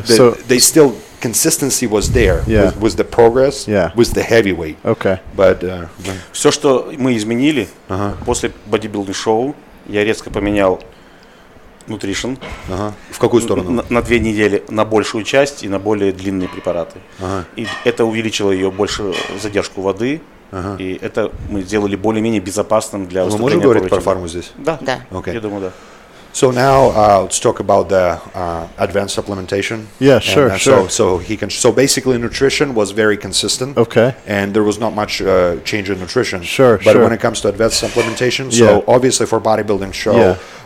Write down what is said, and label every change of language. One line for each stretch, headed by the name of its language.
English: They still, consistency was there. Yeah. Was the progress. Yeah. Was the heavyweight. Okay. But,
Russian: Все, что мы изменили после бодибилдинг шоу, я резко поменял nutrition. В какую сторону? На 2 недели, на большую часть и на более длинные препараты. И это увеличило ее больше задержку воды. Uh-huh. И это мы сделали более-менее безопасным для выступления. Мы можем говорить про фарму здесь? Да. Да.
English: Okay.
Russian: Я думаю, да.
English: So now let's talk about the advanced supplementation. Yeah, sure, So, so basically nutrition was very consistent. Okay. And there was not much change in nutrition. Sure, but sure. when it comes to advanced supplementation, so yeah. obviously for bodybuilding show, yeah.